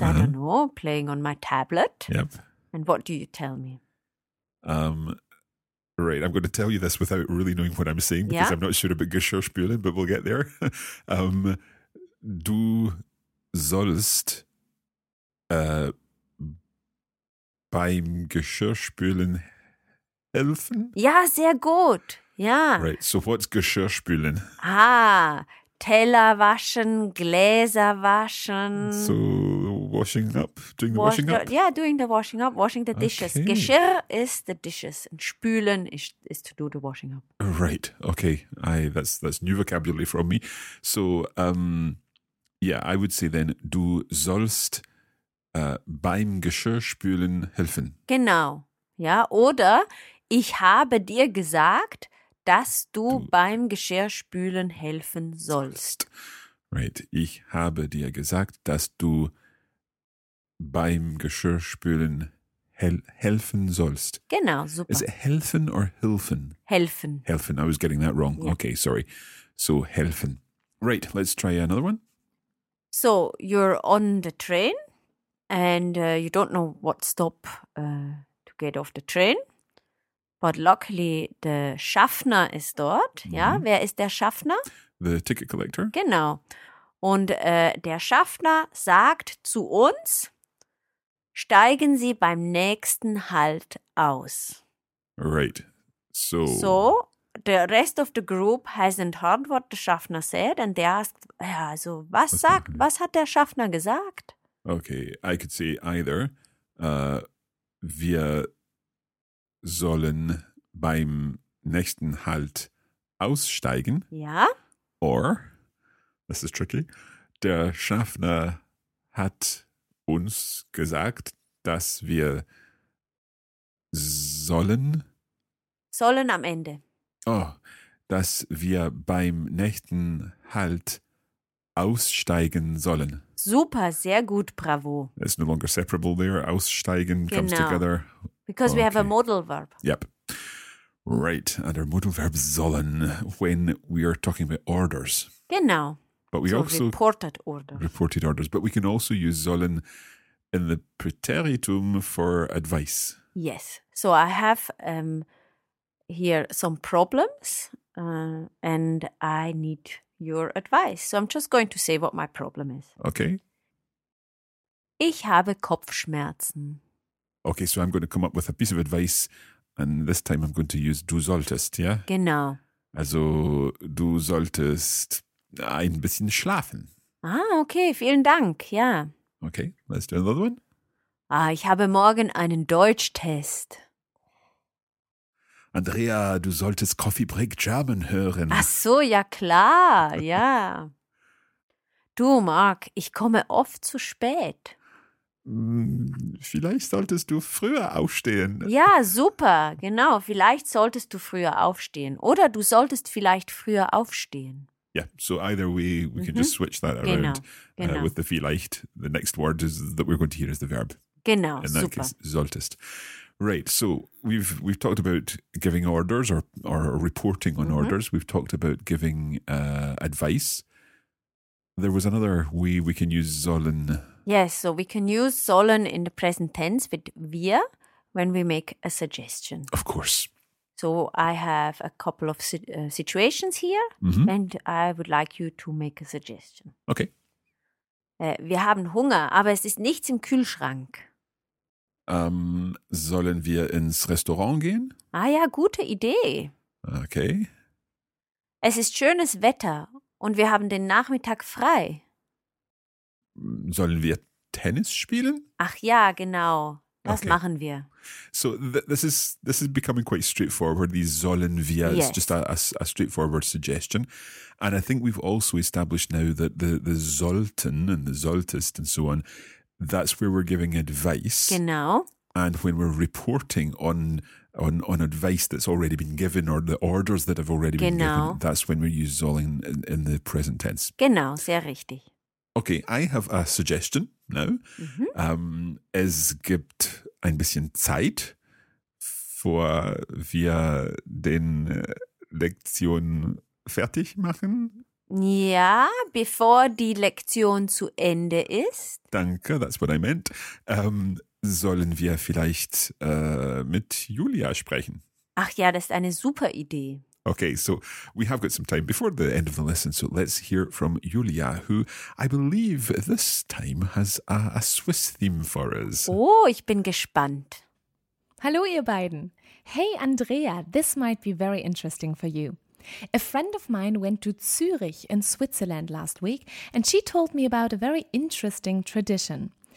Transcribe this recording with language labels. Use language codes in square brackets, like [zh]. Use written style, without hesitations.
[en] Uh-huh. I don't know, playing on my tablet. Yep. And what do you tell me? Right, I'm going to tell you this without really knowing what I'm saying because I'm not sure about Geschirrspülen, but we'll get there. [de] Du sollst beim Geschirrspülen helfen? Ja, sehr gut, ja. [en] Right, so what's Geschirrspülen? [de] Ah, Teller waschen, Gläser waschen. [en] So washing up, doing the washing up? Yeah, doing the washing up, washing the dishes. Okay. Geschirr is the dishes and spülen is to do the washing up. Right, okay. That's new vocabulary from me. So, I would say then, [de] du sollst beim Geschirrspülen helfen. Genau, ja. Oder ich habe dir gesagt, dass du beim Geschirrspülen helfen sollst. [en] Right. [de] Ich habe dir gesagt, dass du beim Geschirrspülen helfen sollst. Genau, super. [en] Is it helfen or hilfen? [de] Helfen. [en] Helfen, I was getting that wrong. Yeah. Okay, sorry. So, helfen. Right, let's try another one. So, you're on the train and you don't know what stop to get off the train. But luckily, the Schaffner is dort. Mm-hmm. [de] Ja, wer ist der Schaffner? [en] The ticket collector. [de] Genau. Und der Schaffner sagt zu uns, steigen Sie beim nächsten Halt aus. [en] Right. So. So, the rest of the group hasn't heard what the Schaffner said. And they asked, [de] was hat der Schaffner gesagt? [en] Okay, I could say either. [de] Wir sollen beim nächsten Halt aussteigen. Ja. [en] Or, this is tricky, [de] der Schaffner hat uns gesagt, dass wir sollen am Ende. Oh, dass wir beim nächsten Halt aussteigen sollen. Super, sehr gut, bravo. [en] It's no longer separable there. Aussteigen comes together. Because we have a modal verb. Yep. Right. And our modal verb sollen when we are talking about orders. [de] Genau. [en] But we so also reported orders. Reported orders. But we can also use sollen in the preteritum for advice. Yes. So I have here some problems and I need your advice. So I'm just going to say what my problem is. Okay. [de] Ich habe Kopfschmerzen. [en] Okay, so I'm going to come up with a piece of advice and this time I'm going to use du solltest, yeah? [de] Genau. Also du solltest ein bisschen schlafen. Ah, okay, vielen Dank, ja. [en] Okay, let's do another one. [de] Ah, ich habe morgen einen Deutschtest. Andrea, du solltest Coffee Break German hören. Ach so, ja klar, ja. Du, Marc, ich komme oft zu spät. Vielleicht solltest du früher aufstehen. Ja, super, genau. Vielleicht solltest du früher aufstehen. Oder du solltest vielleicht früher aufstehen. [en] Yeah, so either way, we can just switch that around [de] genau. [en] With the vielleicht. The next word is, that we're going to hear is the verb. [de] Genau, [en] in that [de] super. [en] Case, solltest. Right, so we've talked about giving orders or reporting on orders. We've talked about giving advice. There was another way we can use sollen. Yes, so we can use sollen in the present tense with wir when we make a suggestion. Of course. So I have a couple of situations here and I would like you to make a suggestion. Okay. [de] Wir haben Hunger, aber es ist nichts im Kühlschrank. Sollen wir ins Restaurant gehen? Ah ja, gute Idee. [en] Okay. [de] Es ist schönes Wetter und wir haben den Nachmittag frei. Sollen wir Tennis spielen? Ach ja, genau. Das machen wir. [en] So this is becoming quite straightforward. [de] These sollen wir. [en] Yes. It's just a straightforward suggestion. And I think we've also established now that the sollten and the solltest and so on, that's where we're giving advice. [de] Genau. [en] And when we're reporting on advice that's already been given or the orders that have already been given, that's when we use sollen in the present tense. [de] Genau, sehr richtig. [en] Okay, I have a suggestion now. Mm-hmm. [de] Es gibt ein bisschen Zeit, vor wir den Lektion fertig machen. Ja, bevor die Lektion zu Ende ist. [en] Danke, that's what I meant. [de] Sollen wir vielleicht mit Julia sprechen? Ach ja, das ist eine super Idee. [en] Okay, so we have got some time before the end of the lesson, so let's hear from Julia, who I believe this time has a Swiss theme for us. [de] Oh, ich bin gespannt. Hallo, ihr beiden. [en] Hey, Andrea, this might be very interesting for you. A friend of mine went to Zürich in Switzerland last week, and she told me about a very interesting tradition.